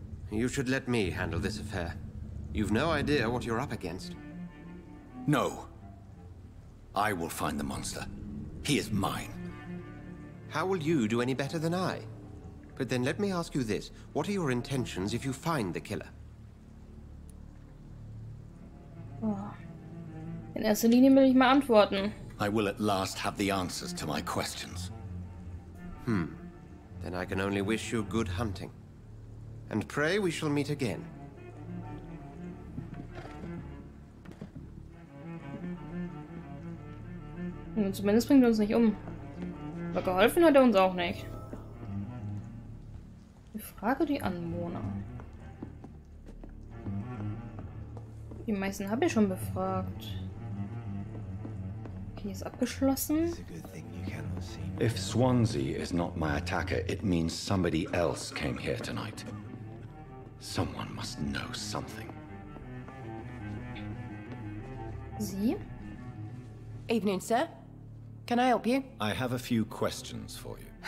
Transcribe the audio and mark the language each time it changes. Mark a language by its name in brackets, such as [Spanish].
[English] You should let me handle this affair. You've no idea what you're up against. No. I will find the monster. He is mine. How will you do any better than I? But then let me ask you this. What are your intentions if you find the killer? Oh. [German] In erster Linie will ich mal antworten. [English] I will at last have the answers to my questions. Hmm. Then I can only wish you good hunting. And pray we shall meet again. [German] Zumindest bringt er uns nicht um. Aber geholfen hat er uns auch nicht. Ich frage die Anwohner. Die meisten habe ich schon befragt. Okay, ist abgeschlossen. [English] If Swansea is not my attacker, it means somebody else came here tonight. Someone must know something. [German] Sie? [English] Evening, sir. Can I help you? I have a few questions for you.